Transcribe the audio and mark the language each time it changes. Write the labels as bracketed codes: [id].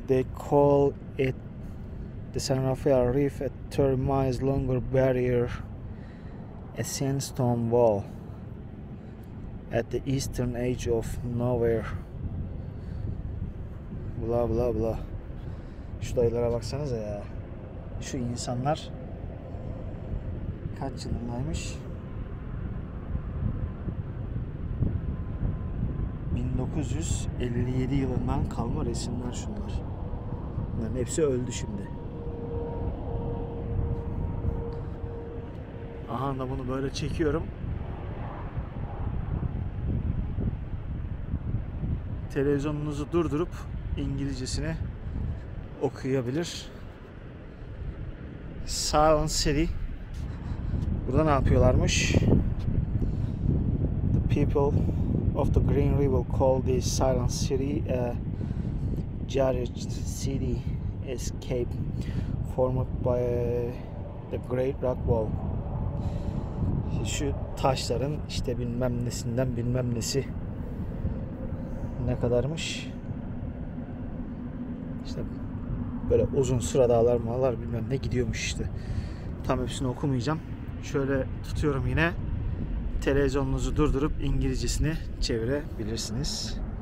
[en] They call it the San Rafael Reef a 30 miles longer barrier, a sandstone wall at the eastern edge of nowhere. Bla bla bla. [tr] Şu dayılara baksanıza ya. Şu insanlar kaç yılındaymış? 1957 yılından kalma resimler şunlar. Bunların hepsi öldü şimdi. Aha da bunu böyle çekiyorum. Televizyonunuzu durdurup İngilizcesini okuyabilir. Silent City. Burada ne yapıyorlarmış? [en] The people of the Green River call this Silent City a Jagged City escape formed by the Great Rock Wall. [tr] Şu taşların işte bilmem nesinden bilmem nesi. Ne kadarmış? İşte böyle uzun sıra dağlar mağalar bilmem ne gidiyormuş işte. Tam hepsini okumayacağım. Şöyle tutuyorum yine. Televizyonunuzu durdurup İngilizcesini çevirebilirsiniz.